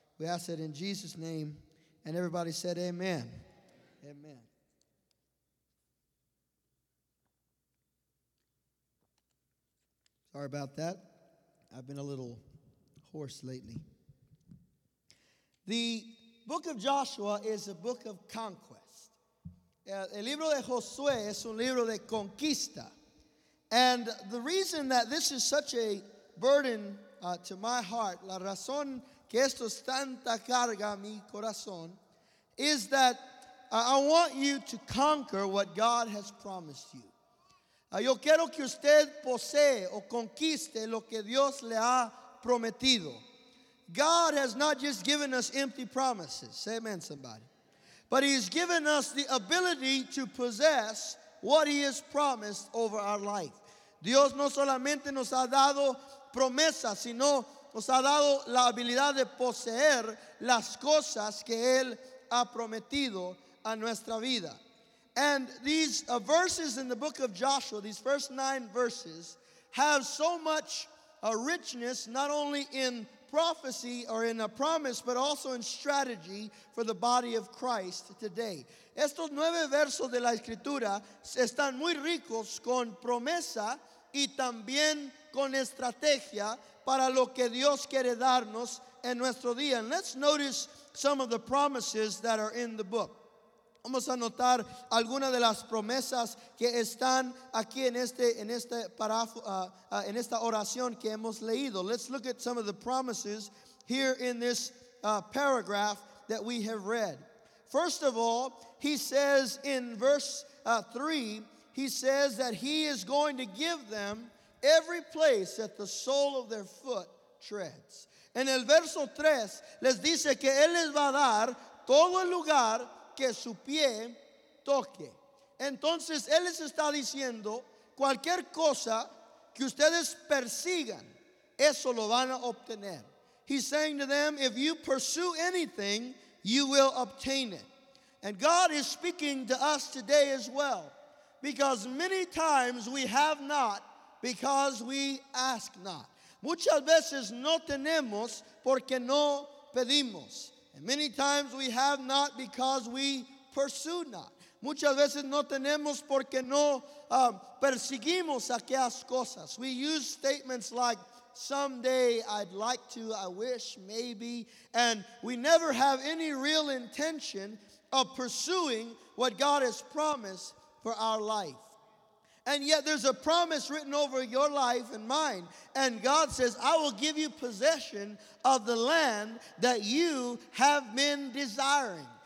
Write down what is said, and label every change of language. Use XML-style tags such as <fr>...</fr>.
<en>We ask that in Jesus' name, and everybody said amen. Amen. Sorry about that. I've been a little hoarse lately. The book of Joshua is a book of conquest.</en> <es>El libro de Josué es un libro de conquista.</es> <en>And the reason that this is such a burden to my heart,</en> <es>la razón que esto es tanta carga a mi corazón,</es> <en>is that I want you to conquer what God has promised you.</en> <es>Yo quiero que usted posee o conquiste lo que Dios le ha prometido.</es> <en>God has not just given us empty promises. Say amen, somebody. But he's given us the ability to possess what he has promised over our life.</en> <es>Dios no solamente nos ha dado promesas, sino nos ha dado la habilidad de poseer las cosas que él ha prometido a nuestra vida.</es> <en>And these verses in the book of Joshua, these first nine verses, have so much richness, not only in prophecy or in a promise, but also in strategy for the body of Christ today.</en> <es>Estos nueve versos de la Escritura están muy ricos con promesa y también con estrategia para lo que Dios quiere darnos en nuestro día.</es> <en>And let's notice some of the promises that are in the book.</en> <es>Vamos a notar algunas de las promesas que están aquí en esta oración que hemos leído.</es> <en>Let's look at some of the promises here in this paragraph that we have read. First of all, he says in verse 3, he says that he is going to give them every place that the sole of their foot treads.</en> <es>En el verso 3, les dice que él les va a dar todo el lugar que su pie toque. Entonces él les está diciendo, cualquier cosa que ustedes persigan, eso lo van a obtener.</es> <en>He's saying to them, if you pursue anything, you will obtain it. And God is speaking to us today as well, because many times we have not because we ask not.</en> <es>Muchas veces no tenemos porque no pedimos.</es> <en>And many times we have not because we pursue not.</en> <es>Muchas veces no tenemos porque no perseguimos aquellas cosas.</es> <en>We use statements like, someday, I'd like to, I wish, maybe. And we never have any real intention of pursuing what God has promised for our life. And yet there's a promise written over your life and mine. And God says, I will give you possession of the land that you have been desiring.</en>